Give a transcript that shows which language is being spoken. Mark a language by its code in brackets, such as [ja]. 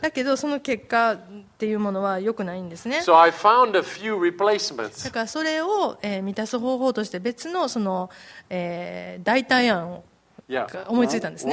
[ja] だけどその結果っていうものは良くないんですね。 [en] So I found a few replacements. [ja] だからそれを、満たす方法として別のその、代替案を思いついたんですね。